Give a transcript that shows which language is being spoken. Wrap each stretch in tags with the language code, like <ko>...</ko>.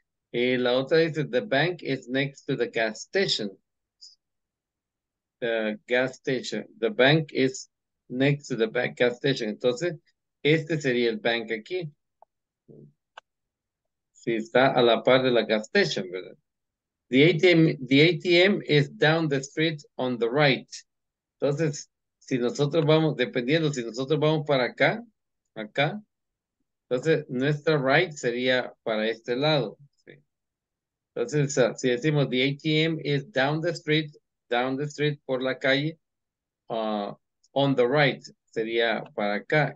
<es>Y la otra dice,</es> <en>the bank is next to the gas station. The gas station. The bank is next to the bank, gas station.</en> <es>Entonces, este sería el bank aquí. Sí, está a la par de la gas station, ¿verdad?</es> <en>The ATM is down the street on the right.</en> <es>Entonces, si nosotros vamos, dependiendo, si nosotros vamos para acá, entonces nuestra right sería para este lado. ¿Sí? Entonces, si decimos</es> <en>the ATM is down the street</en> <es>por la calle,</es> <en>on the right,</en> <es>sería para acá.</es>